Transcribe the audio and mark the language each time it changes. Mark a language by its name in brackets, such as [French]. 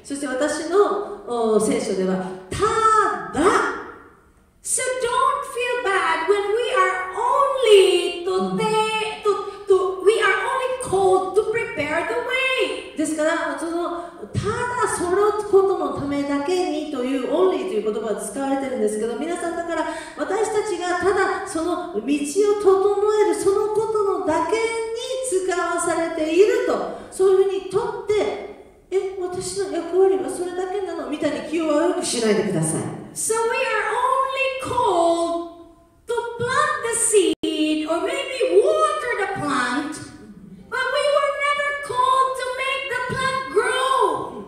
[Japanese] そして私の聖書ではただ。 [English] So don't feel bad when we are only today、we are only called to prepare the way。 [Japanese] ですからそのただそのことのためだけにという only という言葉が使われているんですけど、皆さんだから私たちがただその道を整えるそのことのだけに使わされていると、そういうふうにとって、え、私の役割はそれだけなのみたいに気を悪くしないでください。 [English] So we are only called to plant the seed or maybe water the plant, but we were never called to make the plant grow.